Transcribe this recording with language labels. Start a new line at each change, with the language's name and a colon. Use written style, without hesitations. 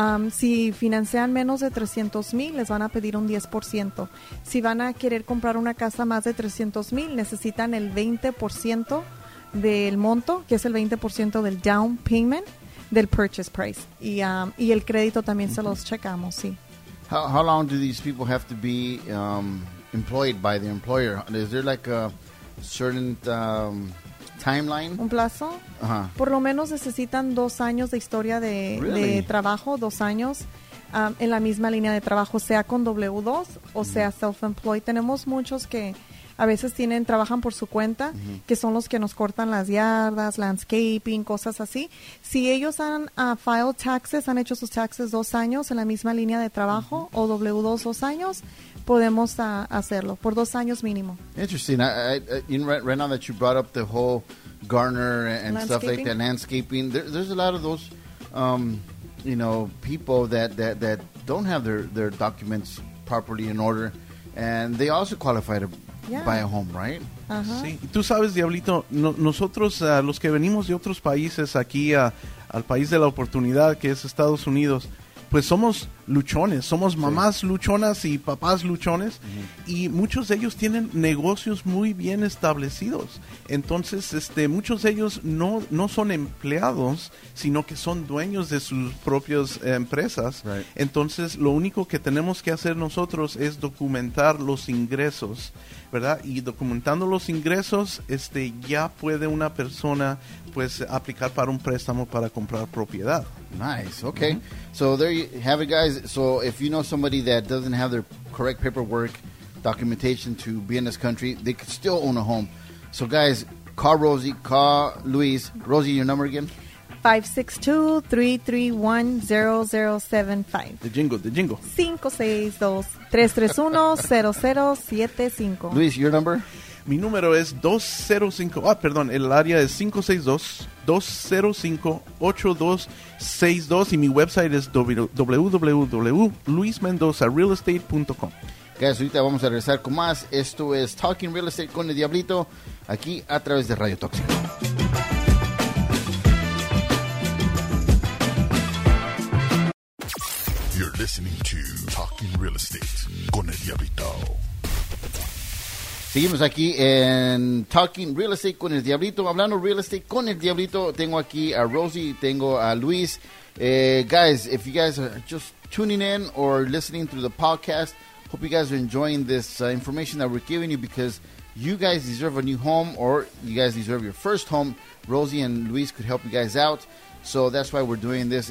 Spanish: Si financian menos de 300 mil, les van a pedir un 10%. Si van a querer comprar una casa más de 300 mil, necesitan el 20% del monto, que es el 20% del down payment. Del purchase price. Y el crédito también mm-hmm. se los checamos, sí.
English: How long do these people have to be employed by the employer? Is there like a certain timeline?
Spanish: ¿Un plazo? Uh-huh. Por lo menos necesitan 2 años de historia de,
English: really?
Spanish: De trabajo, 2 años en la misma línea de trabajo, sea con W-2 o sea self-employed. Tenemos muchos que a veces trabajan por su cuenta, mm-hmm. que son los que nos cortan las yardas, landscaping, cosas así. Si ellos han filed taxes, han hecho sus taxes 2 años en la misma línea de trabajo, mm-hmm. o W-2 2 años, podemos hacerlo, por 2 años mínimo.
English: Interesting. Right now that you brought up the whole gardener and stuff like that, landscaping, there's a lot of those, you know, people that don't have their documents properly in order, and they also qualify to buy a home, right? Uh-huh.
Spanish: Sí. Tú sabes, Diablito, nosotros, los que venimos de otros países aquí al país de la oportunidad, que es Estados Unidos, pues somos luchones, somos mamás luchonas y papás luchones, uh-huh. y muchos de ellos tienen negocios muy bien establecidos. Entonces, muchos de ellos no son empleados, sino que son dueños de sus propias empresas.
English: Right.
Spanish: Entonces, lo único que tenemos que hacer nosotros es documentar los ingresos, ¿verdad? Y documentando los ingresos, ya puede una persona pues aplicar para un préstamo para comprar propiedad.
English: Nice. Okay. Mm-hmm. So there you have it, guys. So if you know somebody that doesn't have their correct paperwork documentation to be in this country, they could still own a home. So guys, Call Rosie. Call Luis. Rosie, your number again? 562-331-0075. The jingle. 562-331-0075. Luis, your number?
Spanish: Mi número es 205. Ah, perdón. El área es 562-205-8262. Y mi website es www.luismendozarealestate.com. Guys, ahorita vamos a regresar con más. Esto es Talking Real Estate con el Diablito, aquí a través de Radio Tóxico.
English: You're listening to Talking Real Estate con el Diablito.
Spanish: Seguimos aquí en Talking Real Estate con el Diablito. Hablando Real Estate con el Diablito, tengo aquí a Rosie, tengo a Luis.
English: Guys, if you guys are just tuning in or listening through the podcast, hope you guys are enjoying this information that we're giving you, because you guys deserve a new home, or you guys deserve your first home. Rosie and Luis could help you guys out. So that's why we're doing this.